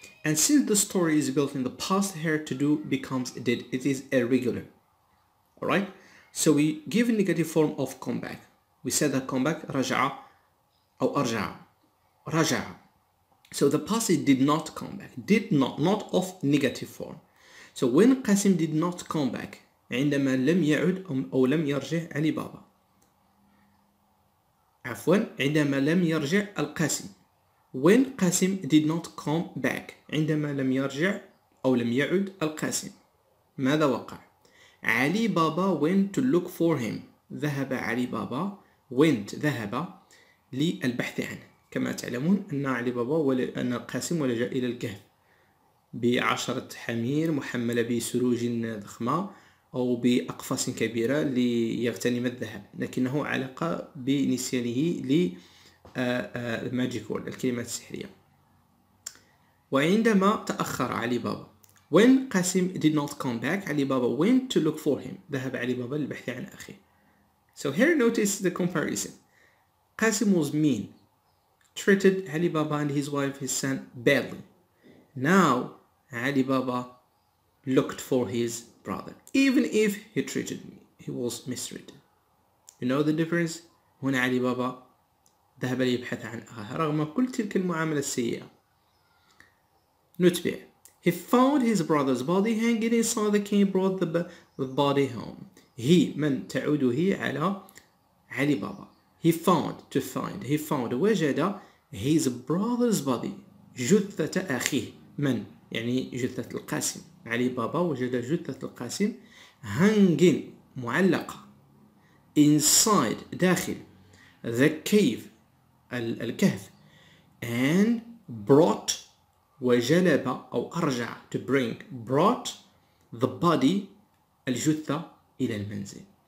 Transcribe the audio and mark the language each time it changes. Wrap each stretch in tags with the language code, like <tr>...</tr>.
<en>And since the story is built in the past, here to do becomes did. It is irregular. All right? So we give a negative form of come back. We said that come back, رجع, أو أرجع, رجع. So the past it did not come back. Did not, not of negative form. So when Qasim did not come back,</en> <ar>عندما لم يعد أو لم يرجع علي بابا. عفوا, عندما لم يرجع القاسم.</ar> <en>When Qasim did not come back,</en> <ar>عندما لم يرجع أو لم يعد القاسم. ماذا وقع؟</ar> <en>علي بابا went to look for him.</en> <ar>ذهب علي بابا, went, ذهب للبحث عنه. كما تعلمون أن علي بابا أن القاسم ولجأ إلى الكهف بعشرة حمير محملة بسروج ضخمة أو بأقفاص كبيرة ليغتنم الذهب, لكنه علق بنسيانه للماجيك وورد, الكلمات السحرية. وعندما تأخر علي بابا, when قاسم</ar> <en>did not come back,</en> <ar>علي بابا</ar> <en>went to look for him,</en> <ar>ذهب علي بابا للبحث عن أخيه.</ar> <en>So here notice the comparison. Qasim was mean, treated Ali Baba and his wife, his son, badly. Now Ali Baba looked for his brother, even if he treated me, he was mistreated. You know the difference? When Ali Baba</en> <ar>ذهب ليبحث عن أخاه رغم كل تلك المعاملة السيئة. نتبع. He</ar> <en>He found his brother's body hanging inside the cave, brought the body home.</en> <ar>He, من تعود هي على علي بابا.</ar> <en>He found, to find. He found, وجد his brother's body.</en> <ar>جثة أخيه. من, يعني جثة القاسم. علي بابا وجد جثة القاسم.</ar> <en>Hanging, معلقة. Inside, داخل. The cave, الكهف. And brought,</en> <ar>وجلب أو أرجع,</ar> <en>to bring, brought the body, الجثة,</en> <ar>إلى المنزل.</ar>